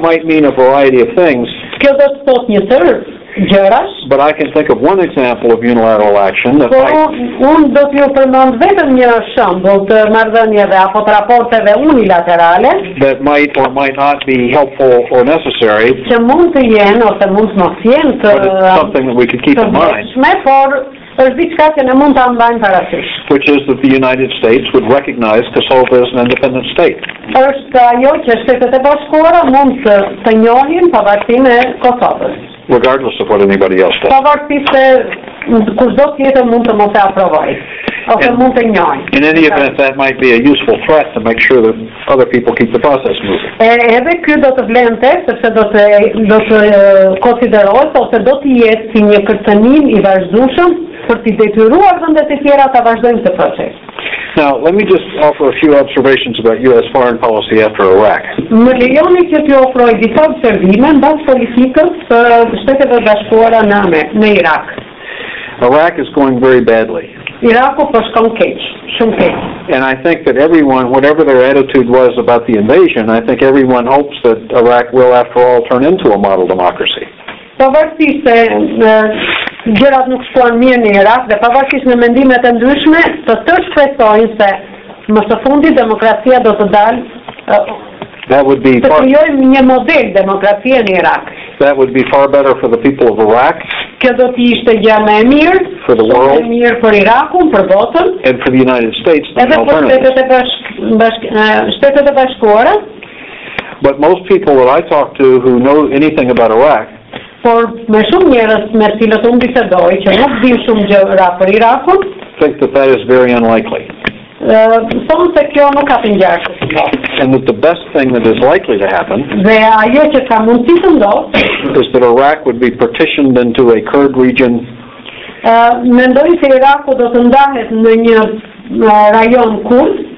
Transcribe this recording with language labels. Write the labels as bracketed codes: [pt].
[en] might mean a variety of things. But I can think of one example of unilateral action that might or might not be helpful or necessary, but it's something that we could keep in mind. [sq] Është diçka që ne mund ta mbajmë parasysh. [en] Which is that the United States would recognize Kosovo as an independent state. [sq] Është ajo që Shtetet e Bashkuara mund të njohin pavarësinë e Kosovës. [en] Regardless of what anybody else does. [sq] Pavarësisht se kushdo tjetër mund të mos e aprovoj. Ose mund të njohin. [en] In any event, that might be a useful threat to make sure that other people keep the process moving. [sq] Edhe ky do të vlente, sepse do të konsiderohet ose do të jetë si një kërcënim I vazhdueshëm për t'i detyruar vendet e tjera ta vazhdojnë këtë proces. [en] Now, let me just offer a few observations about U.S. foreign policy after Iraq. [sq] Më lejoni që t'ju ofroj disa observime mbas politikës së Shteteve Bashkuara në Irak. [en] Iraq is going very badly. [sq] Iraku po shkon keq, shumë keq. [en] And I think that everyone, whatever their attitude was about the invasion, I think everyone hopes that Iraq will, after all, turn into a model democracy. [sq] Pavarësisht se gjërat nuk shkojnë mirë në Irak dhe pavarësisht në mendimet e ndryshme, të tërë shpresojnë se më së fundi demokracia do të dalë. [en] That would be [sq] të krijojmë një model demokracie në Irak. [en] That would be far better for the people of Iraq. [sq] Kjo do të ishte gjë më e mirë. [en] For the world. [sq] Më mirë për Irakun, për botën. [en] And for the United States. [sq] Edhe për Shtetet e Bashkuara. [en] But most people that I talk to who know anything about Iraq, [sq] por më shumë njerëz me cilët unë bisedoj që nuk dinë shumë gjë për Irakun, [en] think that that is very unlikely. [sq] Thonë se kjo nuk ka të ngjarë. [en] And that the best thing that is likely to happen is that Iraq would be partitioned into a Kurd region. [sq] Mendoj se Iraku do të ndahet në një rajon Kurd,